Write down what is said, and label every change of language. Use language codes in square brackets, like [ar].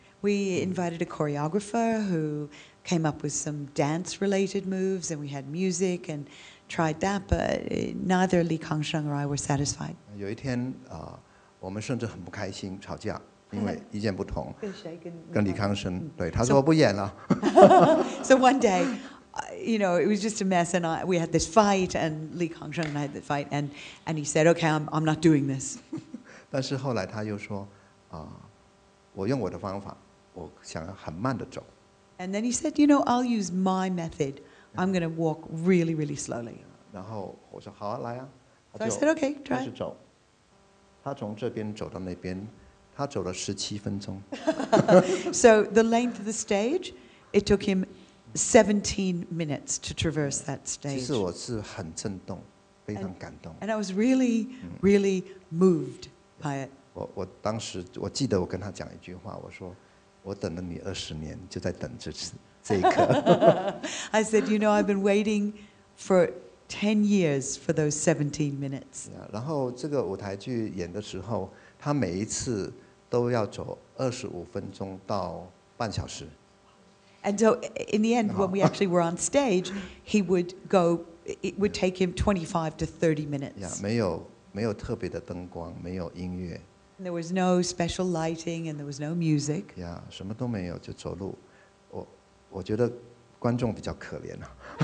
[en] We invited a choreographer who came up with some dance-related moves, and we had music and tried that, but neither Li Kangsheng or I were satisfied. [zh] 有一天，我们甚至很不开心，吵架。因为意见不同，跟李康生，对，他说不演了。 [en] So one day, you know, it was just a mess, and we had this fight, and Li Kangsheng and I had the fight, and he said, "Okay, I'm not doing this." [zh] 但是后来他又说，我用我的方法，我想很慢的走。 [en] And then he said, "You know, I'll use my method. I'm going to walk really, really slowly." [zh] 然后我说好啊，来啊。 [en] So I said, "Okay, try." [zh] 开始走，他从这边走到那边。他走了17分钟 [en] So the length of the stage, it took him 17 minutes to traverse that stage. [zh] 其实我是很震动，非常感动。 [en] And I was really, really moved by it. [zh] 我当时我记得我跟他讲一句话，我说我等了你20年，就在等这次这一刻。 [en] I said, you know, I've been waiting for 10 years for those 17 minutes. [zh] 然后这个舞台剧演的时候，他每一次 都要走25分钟到半小时。 [en] And so in the end, when we actually were on stage, he would go, it would take him 25 to 30 minutes. Yeah, [zh] 没有特别的灯光，没有音乐。 [en] And there was no special lighting, and there was no music. Yeah, [zh] 什么都没有，就走路。我觉得观众比较可怜啊。